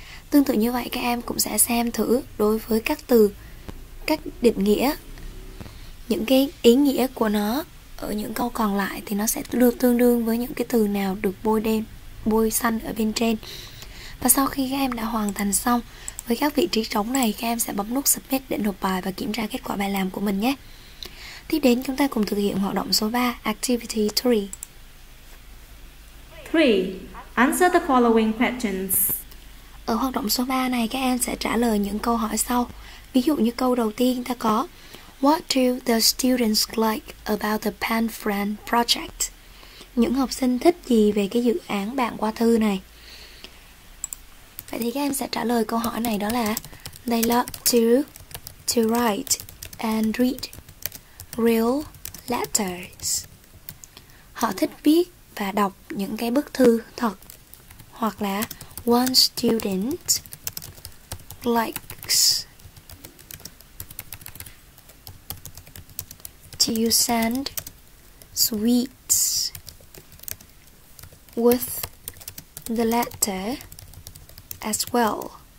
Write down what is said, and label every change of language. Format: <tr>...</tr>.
<vi>Tương tự như vậy các em cũng sẽ xem thử đối với các từ, các định nghĩa, những cái ý nghĩa của nó ở những câu còn lại thì nó sẽ được tương đương với những cái từ nào được bôi đen, bôi xanh ở bên trên. Và sau khi các em đã hoàn thành xong Với các vị trí trống này, các em sẽ bấm nút submit để nộp bài và kiểm tra kết quả bài làm của mình nhé. Tiếp đến, chúng ta cùng thực hiện hoạt động số 3, activity 3.</vi> <en>3. Answer the following questions.</en> <vi>Ở hoạt động số 3 này, các em sẽ trả lời những câu hỏi sau. Ví dụ như câu đầu tiên ta có</vi> <en>What do the students like about the pen friend project?</en> <vi>Những học sinh thích gì về cái dự án bạn qua thư này? Vậy thì các em sẽ trả lời câu hỏi này đó là</vi> <en>They love to write and read real letters.</en> <vi>Họ thích viết và đọc những cái bức thư thật. Hoặc là</vi> <en>One student likes to send sweets with the letter as well.</en>